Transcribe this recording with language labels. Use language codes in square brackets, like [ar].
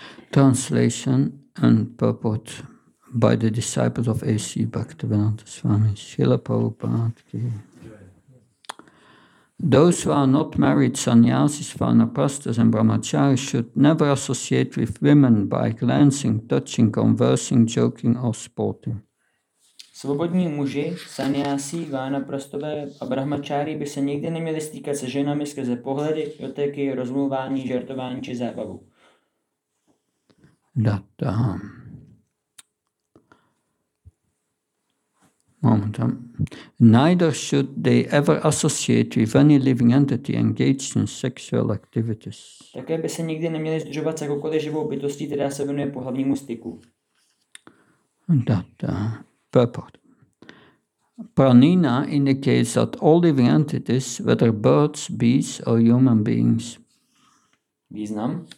[en] Translation and purport by the disciples of A.C. Bhaktivedanta Swami Srila Prabhupada. Those who are not married sannyasis, vanaprastas and brahmacharis should never associate with women by glancing, touching, conversing, joking or sporting. [cs] Svobodní muži, sannyasi, vánaprastové a brahmačáry by se nikdy neměli stýkat se ženami skrze pohledy, dotyky, rozmluvání, žertování či zábavu. [en] That, moment. Neither should they ever associate with any living entity engaged in sexual activities. [cs] Také by se nikdy neměli sdružovat s jakoukoliv živou bytostí, která se věnuje pohlavnímu styku. [en] That, purport. Pranina indicates that all living entities, whether birds, bees, or human beings, [cs] Význam.